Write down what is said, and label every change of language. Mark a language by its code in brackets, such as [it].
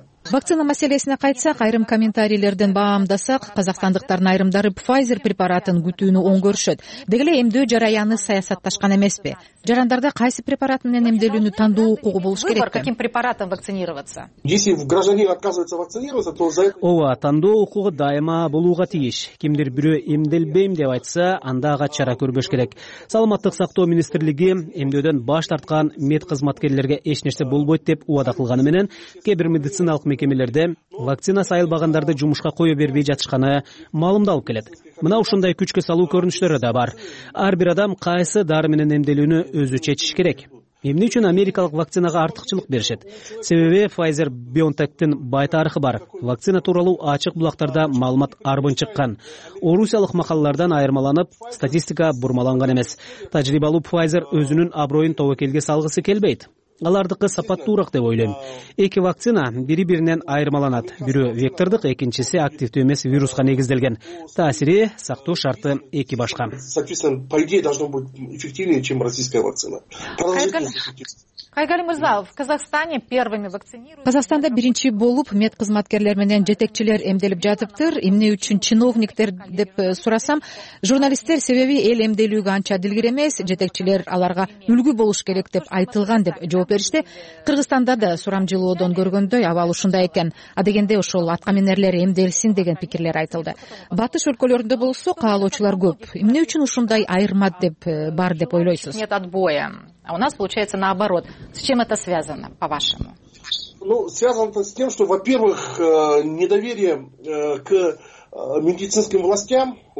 [ky] Вакцина маселесине кайтсак, айрым комментарийлерден баамдасак, казакстандыктардын айрымдары Pfizer препаратын күтүүнү оң көрүшөт. Деги эле эмдөө жараяны саясатташкан эмеспи? Жарандарда кайсы препарат менен эмделүүнү тандоо укугу болуш керек? [ru] Выбор, каким препаратом вакцинироваться? Если гражданин отказывается вакцинироваться, то за это... [ky] Ооба, тандоо укугу дайыма болууга тийиш. Кимдир бирөө эмделбейм деп айтса, анда ага чара көрбөш керек. Саламаттык сактоо министрлиги эмдөөдөн баш тарткан медкызматкерлерге эч нерсе болбойт деп убада кылганы менен, кээ бир медициналык мекемелерде вакцина сайылбагандарды жумушка кое бербей жатышканы маалымдалып келет. Мына ушундай күчкө салуу көрүнүштөрү да бар. Ар бир адам кайсы дары менен эмделүүнү өзү чечиш керек. Эмне үчүн америкалык вакцинага артыкчылык беришет? Себеби Pfizer BioNTech'тин бай тарыхы бар. Вакцина тууралуу ачык булактарда маалымат арбын чыккан. Орусиялык макалалардан айырмаланып, статистика бурмаланган эмес. Тажрыйбалуу Pfizer өзүнүн аброюн тобокелге салгысы келбейт. Алардыкы сапаттуурак деп ойлойм. Эки вакцина бири биринен айырмаланат. Бирөө вектордук, экинчиси активдүү эмес вируска негизделген. Таасири, сактоо шарты эки башка. [ru] Соответственно, по идее должно быть эффективнее, чем российская вакцина. Кайгали Мырзалов, Казахстане первыми вакцинируют. [ky] Казахстанда биринчи болуп медкызматкерлер менен жетекчилер эмделип жатыптыр. Эмне үчүн чиновниктер деп сурасам, журналисттер себеби эл эмделүүгө анча дилгир эмес, жетекчилер аларга үлгү болуш керек деп айтылган деп жооп беришти. Кыргызстанда да сурам жылоодон көргөндөй абал ушундай экен. Адегенде ошол аткаминерлер эмделсин деген пикирлер айтылды. Батыш өлкөлөрүндө болсо каалоочулар көп. Эмне үчүн ушундай айырма деп бар деп ойлойсуз? [ru] Нет отбоя. А у нас получается наоборот. С чем это связано, по-вашему? Ну, связано это с тем, что, во-первых, недоверие к медицинским властям.